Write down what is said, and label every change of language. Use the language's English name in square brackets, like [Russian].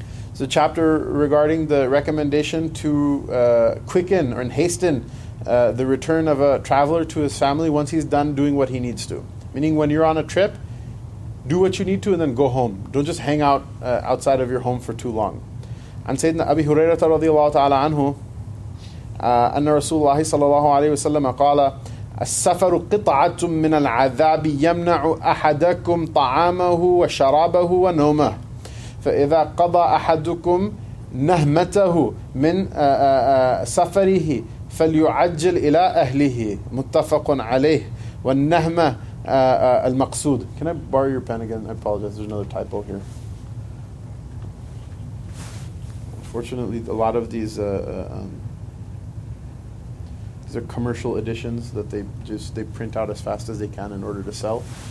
[English] It's a chapter regarding the recommendation to quicken or hasten the return of a traveler to his family once he's done doing what he needs to. Meaning when you're on a trip, do what you need to and then go home. Don't just hang out outside of your home for too long. And [Arabic] Sayyidina Abi Hurairah radiallahu ta'ala anhu, أَنَّ رَسُولُ اللَّهِ صَلَى اللَّهُ عَلَيْهِ وَسَلَّمَ قَالَ السفر قطعة من العذاب يمنع أحدكم طعامه وشرابه ونومه فإذا قضى أحدكم نهمته من سفره فليعجل إلى أهله متفق عليه والنهمة المقصود. [English] Can I borrow your pen again? I apologize. There's another typo here. Unfortunately, a lot of these are commercial editions that they print out as fast as they can in order to sell.